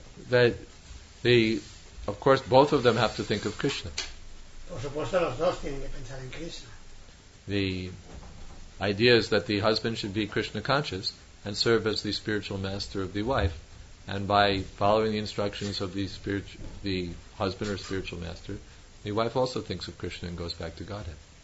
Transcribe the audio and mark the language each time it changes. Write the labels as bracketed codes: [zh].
[en] That the, of course, both of them have to think of Krishna. [es] Por supuesto, los dos tienen que pensar en Krishna. [en] The idea is that the husband should be Krishna conscious and serve as the spiritual master of the wife, and by following the instructions of the husband or spiritual master, the wife also thinks of Krishna and goes back to Godhead.